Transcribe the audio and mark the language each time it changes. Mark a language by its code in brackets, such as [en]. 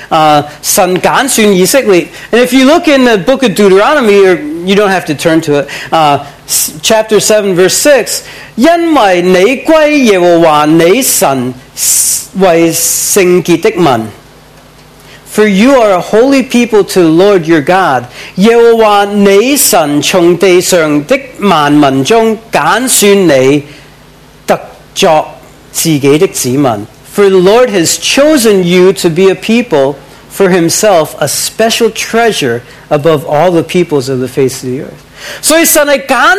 [zh] 如果你看《生命記》第七章第六節,你會看到神揀選以色列。 [en] And if you look in the book of Deuteronomy, or you don't have to turn to it, chapter 7, verse 6, [zh] 因為你歸耶和華你神為聖潔的民, [en] for you are a holy people to the Lord your God. [zh] 耶和華你神從地上的萬民中揀選你得作自己的子民. [en] For the Lord has chosen you to be a people for Himself, a special treasure above all the peoples of the face of the earth.